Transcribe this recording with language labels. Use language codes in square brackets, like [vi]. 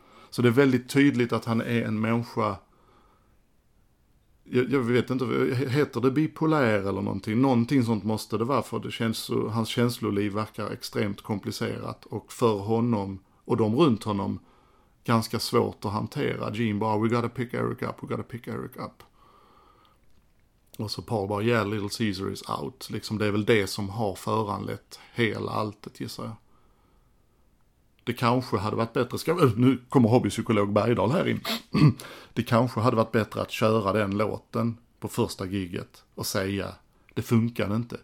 [sv] Så det är väldigt tydligt att han är en människa, jag vet inte, heter det bipolär eller någonting? Någonting sånt måste det vara för det känns, hans känsloliv verkar extremt komplicerat och för honom och de runt honom ganska svårt att hantera. Gene bara, [en] we gotta pick Eric up, we gotta pick Eric up. [sv] Och så Paul bara, [en] yeah, Little Caesar is out. [sv] Liksom det är väl det som har föranlett hela alltet, gissar jag. Det kanske hade varit bättre, nu kommer hobbypsykolog Bergdahl här in. Det kanske hade varit bättre att köra den låten på första gigget och säga, det funkar inte.